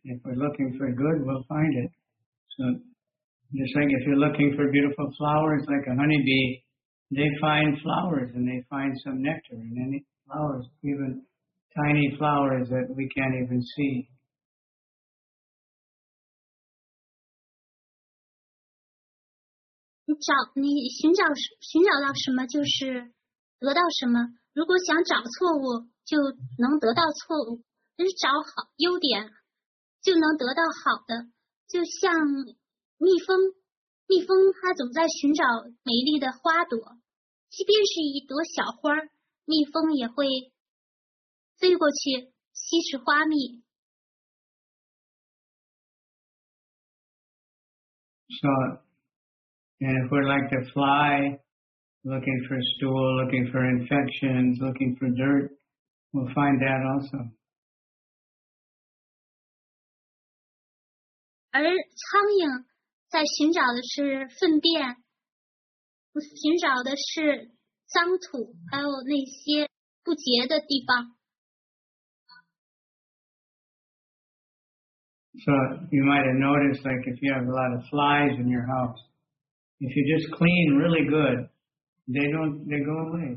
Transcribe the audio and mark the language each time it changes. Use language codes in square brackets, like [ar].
[en] If we're looking for good, we'll find it. So, just like if you're looking for beautiful flowers, like a honeybee, they find flowers and they find some nectar in any flowers, even tiny flowers that we can't even see. [zh] 如果想找错误，就能得到错误；但是找好优点，就能得到好的。就像蜜蜂它总在寻找美丽的花朵，即便是一朵小花，蜜蜂也会飞过去吸食花蜜。 [en] So, and if we're like to fly. Looking for stool, looking for infections, looking for dirt, we'll find that also. [zh] 而苍蝇在寻找的是粪便，寻找的是脏土，还有那些不洁的地方。 [en] So you might have noticed, like if you have a lot of flies in your house, if you just clean really good,They go away.